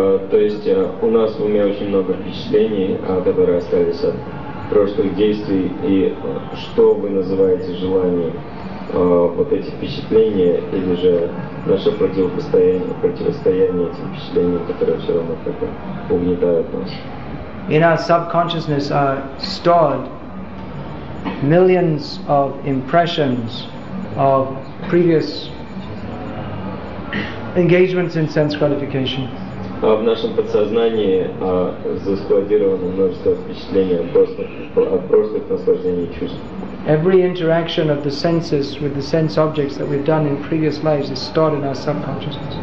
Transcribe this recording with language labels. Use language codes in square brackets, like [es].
[ru] То есть у нас в уме очень много впечатлений, которые остались от прошлых действий, и что вы называете желанием? Вот эти впечатления или же наше противостояние этим впечатлениям, которые все равно как-то угнетают нас. [en] In our subconsciousness are stored millions of impressions of previous engagements in sense gratification. [ru] В нашем подсознании заскладировано множество впечатлений от прошлых наслаждений чувств. [en] Every interaction of the senses with the sense objects that we've done in previous lives is stored in our subconsciousness.